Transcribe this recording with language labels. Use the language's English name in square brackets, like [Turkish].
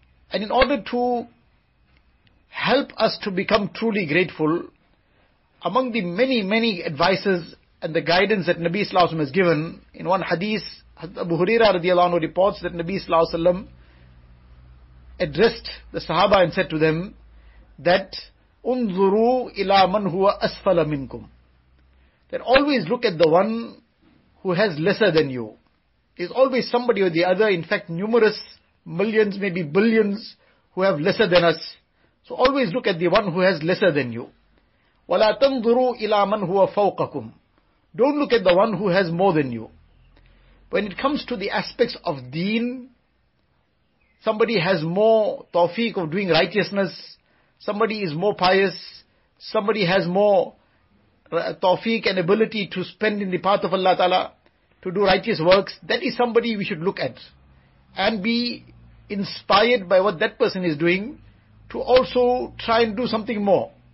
[English] And in order to help us to become truly grateful, among the many, many advices and the guidance that Nabi Sallallahu Alaihi Wasallam has given, in one hadith, Abu Huraira radiallahu anhu reports that Nabi Sallallahu Alaihi Wasallam addressed the Sahaba and said to them that, [Arabic] انظروا إلى من هو أسفل منكم. [English] Then always look at the one who has lesser than you. There's always somebody or the other, in fact numerous millions, maybe billions, who have lesser than us. So always look at the one who has lesser than you. [Arabic] ولا تنظروا إلى من هو فوقكم. [English] Don't look at the one who has more than you. When it comes to the aspects of deen, somebody has more tawfiq of doing righteousness, somebody is more pious, somebody has more tawfiq and ability to spend in the path of Allah Ta'ala, to do righteous works, that is somebody we should look at and be inspired by what that person is doing to also try and do something more.